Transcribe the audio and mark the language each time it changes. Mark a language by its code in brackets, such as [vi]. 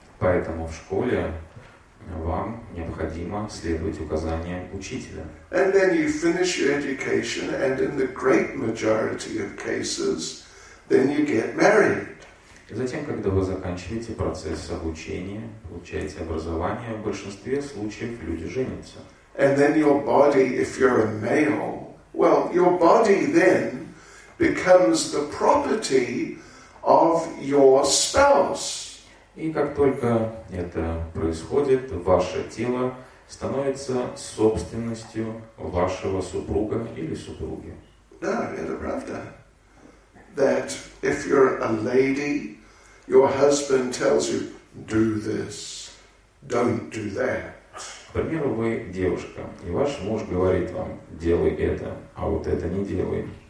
[ru] Поэтому в школе вам необходимо следовать указаниям учителя. [en] And then you finish your education, and in the great majority of cases, then you get married. [ru] И затем, когда вы заканчиваете процесс обучения, получаете образование, в большинстве случаев люди женятся. [en] And then your body, if you're a male, well, your body then becomes the property of your spouse. [ru] И как только это происходит, ваше тело становится собственностью вашего супруга или супруги. No, это правда. [en] That if you're a lady, your husband tells you, do this, don't do that. [ru] К примеру, вы девушка, и ваш муж говорит вам, делай это, а вот это не делай.